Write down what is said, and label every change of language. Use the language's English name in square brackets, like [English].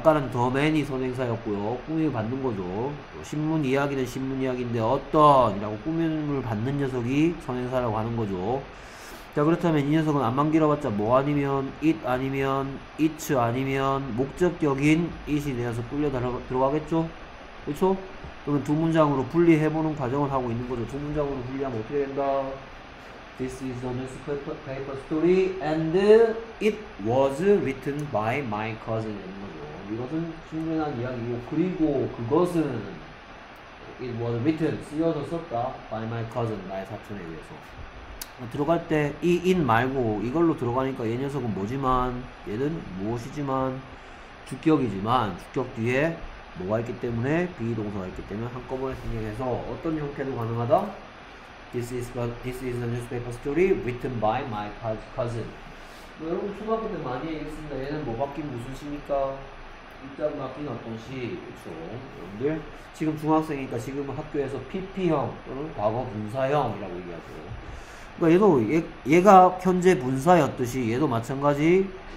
[Korean] 아까는 The man이 선행사였고요. 꾸밈을 받는 거죠. 신문 이야기는 신문 이야기인데 어떤 이라고 꾸밈을 받는 녀석이 선행사라고 하는 거죠. 자, 그렇다면 이 녀석은 암만 길어봤자 뭐 아니면 it 아니면 its 아니면 목적격인 it이 되어서 끌려 들어가겠죠? 그렇죠? 그러면 두 문장으로 분리해보는 과정을 하고 있는 거죠. 두 문장으로 분리하면 어떻게 된다? [English] This is a newspaper story and it was written by my cousin. [Korean] 이것은 신문에 난 이야기고, 그리고 그것은 [English] it was written, [Korean] 쓰여졌었다. [English] by my cousin, [Korean] 나의 사촌에 의해서. 들어갈 때이 in 말고 이걸로 들어가니까 얘 녀석은 뭐지만, 얘는 무엇이지만, 주격이지만, 주격 뒤에 뭐가 있기 때문에 be 동사가 있기 때문에 한꺼번에 생략해서 어떤 형태도 가능하다. [English] This is a newspaper story written by my cousin. [Korean] 뭐 여러분 초등학교 때 많이 읽습니다. 얘는 뭐 바뀐 무슨 시입니까? 입장 바뀐 어떤 시? 그렇죠. 여러분들 지금 중학생이니까 지금 학교에서 PP형 또는 과거 분사형이라고 얘기하죠. 그러니까 얘가 현재 분사였듯이 얘도 마찬가지.